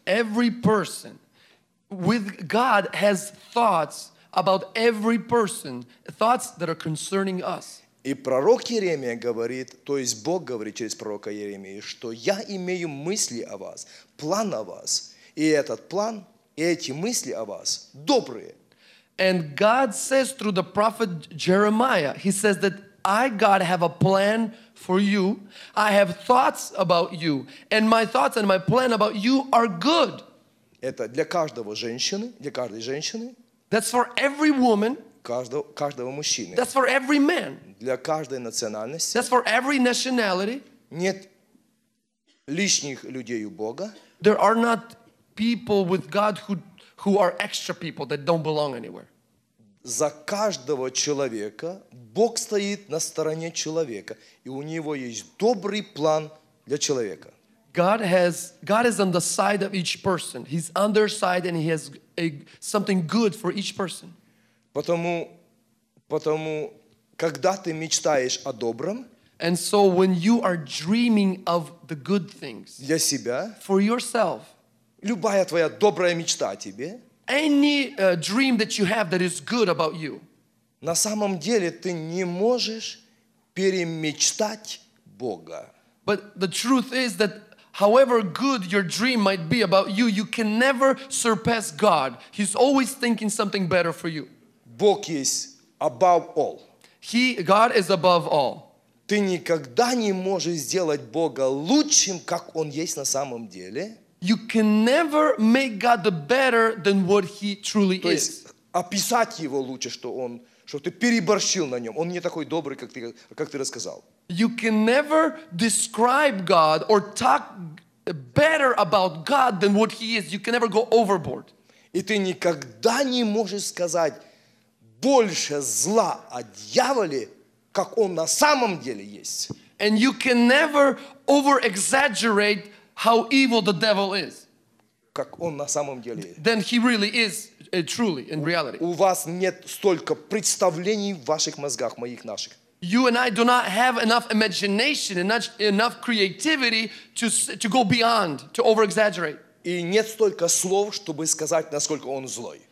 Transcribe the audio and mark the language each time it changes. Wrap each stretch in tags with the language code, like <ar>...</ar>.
<en>Every person with God has thoughts about every person, thoughts that are concerning us.</en> <ru>И пророк Иеремия говорит, то есть Бог говорит через пророка Иеремию, что я имею мысли о вас, план о вас, и этот план, и эти мысли о вас добрые.</ru> <en>And God says through the prophet Jeremiah, he says that I, God, have a plan for you, I have thoughts about you, and my thoughts and my plan about you are good.</en> <ru>Это для каждого женщины, для каждой женщины.</ru> <en>That's for every woman.</en> <ru>Каждого мужчины.</ru> <en>That's for every man.</en> <ru>Для каждой национальности.</ru> <en>That's for every nationality.</en> <ru>Нет лишних людей у Бога.</ru> <en>There are not people with God who are extra people that don't belong anywhere.</en> <ru>За каждого человека Бог стоит на стороне человека, и у него есть добрый план для человека.</ru> <en>God is on the side of each person. He's on their side and he has something good for each person.</en> <ru>Потому, когда ты мечтаешь о добром,</ru> <en>and so when you are dreaming of the good things</en> <ru>для себя,</ru> <en>for yourself,</en> <ru>любая твоя добрая мечта тебе,</ru> <en>any dream that you have that is good about you,</en> <ru>на самом деле ты не можешь перемечтать Бога.</ru> <en>But the truth is that however good your dream might be about you, you can never surpass God. He's always thinking something better for you.</en> <ru>Бог есть</ru> <en>above all. God is above all.</en> <ru>Ты никогда не можешь сделать Бога лучшим, как Он есть на самом деле.</ru> <en>You can never make God better than what He truly is.</en> <ru>То есть описать Его лучше, что ты переборщил на Нем. Он не такой добрый, как ты рассказал.</ru> <en>You can never describe God or talk better about God than what he is. You can never go overboard.</en> <ru>И ты никогда не можешь сказать больше зла о дьяволе, как он на самом деле есть.</ru> <en>And you can never over-exaggerate how evil the devil is.</en> <ru>Как он на самом деле.</ru> <en>Then he really is truly in reality.</en> <ru>У вас нет столько представлений в ваших мозгах, моих, наших.</ru> <en>You and I do not have enough imagination, enough creativity to go beyond, to over-exaggerate.</en> <ru>И нет столько слов, чтобы сказать, насколько он злой.</ru>